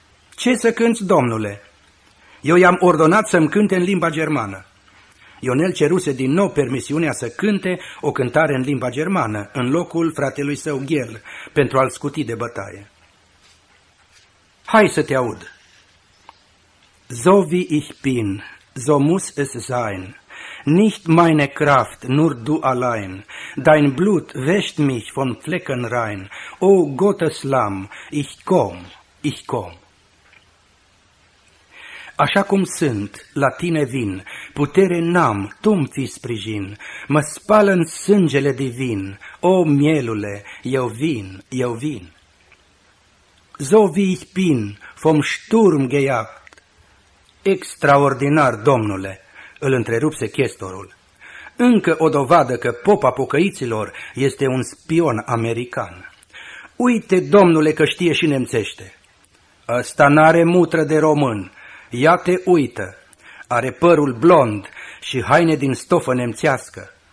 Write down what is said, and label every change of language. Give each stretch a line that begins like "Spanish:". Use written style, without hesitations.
Romanian: Ce să cânți, domnule? Eu i-am ordonat să-mi cânte în limba germană. Ionel ceruse din nou permisiunea să cânte o cântare în limba germană, în locul fratelui său Ghel, pentru a-l scuti de bătaie. Hai să te aud!
German: So wie ich bin, so muss es sein. Nicht meine Kraft, nur du allein. Dein Blut wäscht mich von Flecken rein. O Gottes Lamm, ich komm, ich komm.
Romanian: Așa cum sunt, la tine vin, putere n-am, tu-mi fii sprijin, mă spală în sângele divin, o mielule, eu vin, eu vin.
German: So wie ich bin, vom Sturm gejagt.
Romanian: Extraordinar, domnule, îl întrerupse chestorul. Încă o dovadă că popa pocăiților este un spion american. Uite, domnule, că știe și nemțește. Ăsta n-are mutră de român. Ia te uită, are părul blond și haine din stofă nemțească.